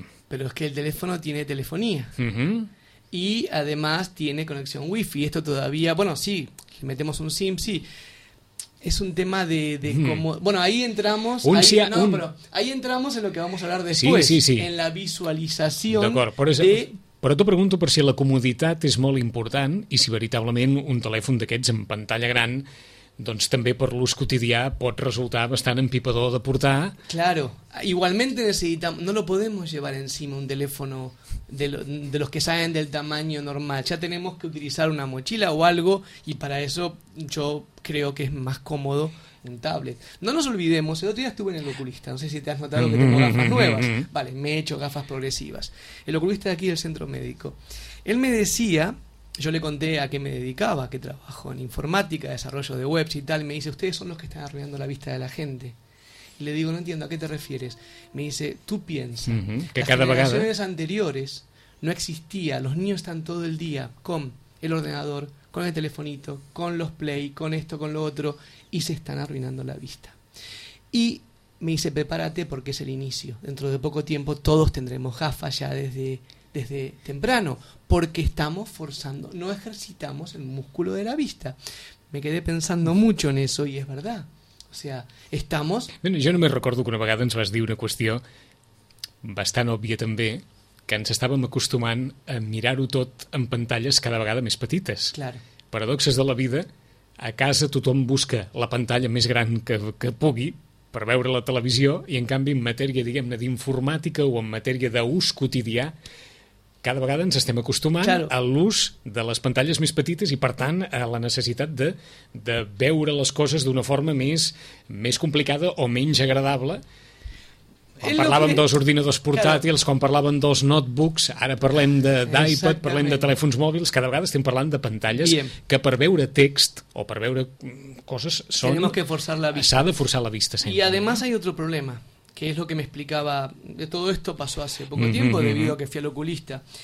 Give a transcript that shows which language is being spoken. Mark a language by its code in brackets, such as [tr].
[ca] Però és que el telèfon tiene telefonia. [es] Y además tiene conexión wifi. Esto todavía, bueno, sí, le metemos un SIM, sí. Es un tema de cómo, bueno, ahí entramos, ahí entramos en lo que vamos a hablar después, sí. En la visualización. [ca] D'acord, però t'ho pregunto per si la comoditat és molt important i si veritablement un telèfon d'aquests amb pantalla gran, doncs també per l'ús quotidià pot resultar bastant empipador de portar. [es] Claro, igualmente necesitamos, no lo podemos llevar encima un teléfono de los que salen del tamaño normal. Ya tenemos que utilizar una mochila o algo, y para eso yo creo que es más cómodo un tablet. No nos olvidemos, el otro día estuve en el oculista, no sé si te has notado que tengo gafas nuevas. Vale, me he hecho gafas progresivas. El oculista de aquí del centro médico, él me decía, yo le conté a qué me dedicaba, que trabajo en informática, desarrollo de webs y tal, y me dice, ustedes son los que están arruinando la vista de la gente. Le digo, no entiendo, ¿a qué te refieres? Me dice, tú piensas que cada vez. Las generaciones anteriores no existía, los niños están todo el día con el ordenador, con el telefonito, con los play, con esto, con lo otro, y se están arruinando la vista. Y me dice, prepárate porque es el inicio. Dentro de poco tiempo todos tendremos gafas ya desde temprano, porque estamos forzando, no ejercitamos el músculo de la vista. Me quedé pensando mucho en eso y es verdad. O sea, estamos... [ca] Bueno, jo només recordo que una vegada ens vas dir una qüestió bastant òbvia també, que ens estàvem acostumant a mirar-ho tot en pantalles cada vegada més petites. Clar. Paradoxes de la vida, a casa tothom busca la pantalla més gran que pugui per veure la televisió, i en canvi en matèria, diguem-ne, d'informàtica o en matèria d'ús quotidià, cada vegada ens estem acostumant [es] claro. [ca] A l'ús de les pantalles més petites i, per tant, a la necessitat de veure les coses d'una forma més complicada o menys agradable. Quan parlàvem dels ordinadors portàtils, claro. Quan parlàvem dels notebooks, ara parlem d'iPad, parlem de telèfons mòbils, cada vegada estem parlant de pantalles que per veure text o per veure coses són... [es] Tenemos que forzar la vista. [ca] S'ha de forçar la vista sempre. [es] Y además hay otro problema. Que es lo que me explicaba, de todo esto pasó hace poco tiempo debido a que fui al oculista.